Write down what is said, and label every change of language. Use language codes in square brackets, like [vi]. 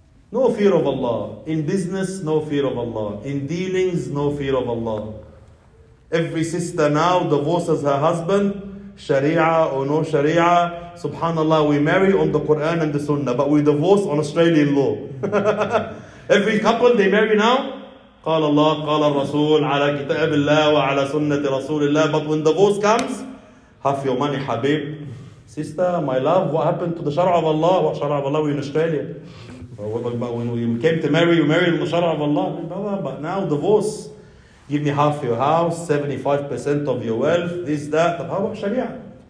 [en] No fear of Allah. In business, no fear of Allah. In dealings, no fear of Allah. Every sister now divorces her husband, Sharia or no Sharia, subhanAllah, we marry on the Quran and the Sunnah, but we divorce on Australian law. Every couple they marry now, [ar] قال الله قال الرسول على كتاب الله وعلى سنة رسول الله. [en] But when divorce comes, half your money, Habib. Sister, my love, what happened to the Shara of Allah? What Shara of Allah? We in Australia. But when we came to marry, we married on the Shara of Allah. But now divorce. Give me half your house, 75% of your wealth, this, that. How about Sharia?